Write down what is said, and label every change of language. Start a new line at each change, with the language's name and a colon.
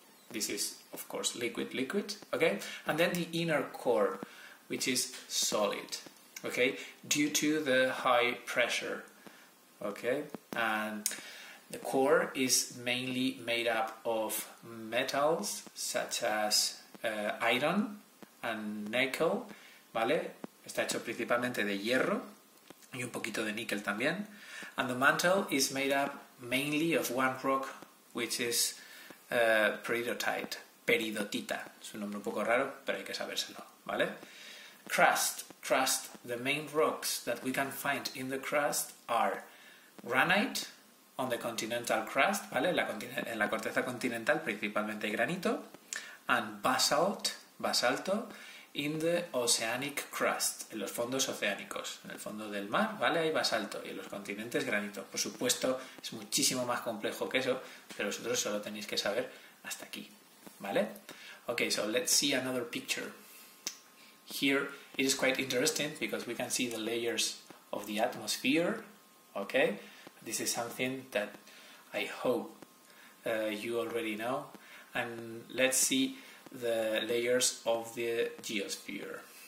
English: this is, of course, liquid, okay? And then the inner core, which is solid, okay? Due to the high pressure, okay? And the core is mainly made up of metals such as iron and nickel, ¿vale?
Spanish: Está hecho principalmente de hierro y un poquito de níquel también.
English: And the mantle is made up mainly of one rock, which is peridotite, peridotita.
Spanish: Es un nombre un poco raro, pero hay que sabérselo, ¿vale?
English: Crust, the main rocks that we can find in the crust are granite, on the continental crust, ¿vale?
Spanish: En la corteza continental, principalmente granito.
English: And basalto, in the oceanic crust,
Spanish: en los fondos oceánicos. En el fondo del mar, ¿vale? Hay basalto. Y en los continentes, granito. Por supuesto, es muchísimo más complejo que eso, pero vosotros solo tenéis que saber hasta aquí, ¿vale?
English: Okay, so let's see another picture. Here, it is quite interesting because we can see the layers of the atmosphere, okay? This is something that I hope you already know. And let's see the layers of the geosphere.